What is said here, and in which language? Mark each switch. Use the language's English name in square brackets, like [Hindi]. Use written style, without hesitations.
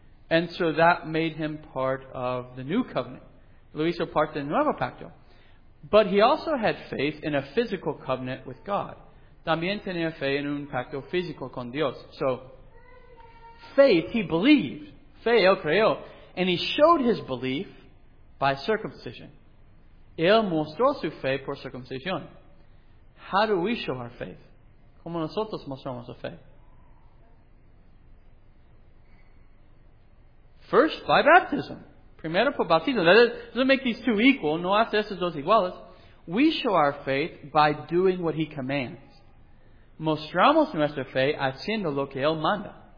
[English] And so that made him part of the new covenant. [Spanish] Lo hizo parte del nuevo pacto. [English] But he also had faith in a physical covenant with God. [Spanish] También tenía fe en un pacto físico con Dios. [English] So, faith, he believed. [Spanish] Fe, él creyó. [English] And he showed his belief by circumcision. [Spanish] Él mostró su fe por circuncisión. [English] How do we show our faith? [Spanish] ¿Cómo nosotros mostramos la fe? [English] First, by baptism. [Spanish] Primero por bautismo. [English] That doesn't make these two equal. [Spanish] No hace estos dos iguales. [English] We show our faith by doing what he commands. [Spanish] Mostramos nuestra fe haciendo lo que él manda.